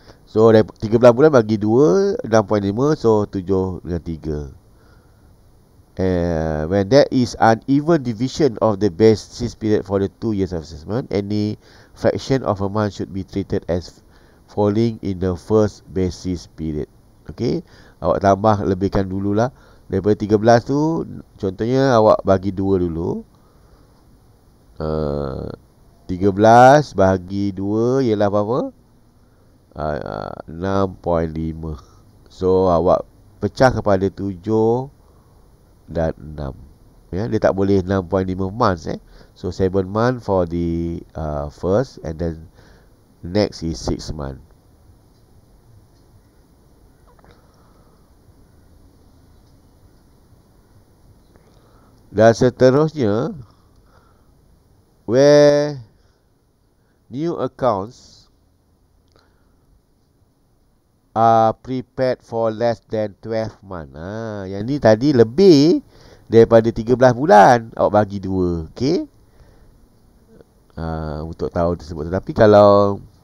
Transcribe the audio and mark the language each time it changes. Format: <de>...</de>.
<ms>So 13 bulan bagi 2, 6.5, so 7 dengan 3.</ms> <en>When there is an even division of the basis period for the 2 years of assessment, any fraction of a month should be treated as falling in the first basis period.</en> <ms>Okay, awak tambah lebihkan dululah. Daripada 13 tu, contohnya awak bagi 2 dulu. 13 bagi 2 ialah berapa? 6.5. So awak pecah kepada 7 dan 6. Ya, dia tak boleh 6.5 months eh.</ms> <en>So 7 month for the first and then next is 6 month.</en> <ms>Dan seterusnya,</ms> <en>where new accounts are prepared for less than 12 months.</en> <ms>Yang ni tadi lebih daripada 13 bulan. Awak bagi 2. Okay. Untuk tahun tersebut. Tetapi kalau</ms>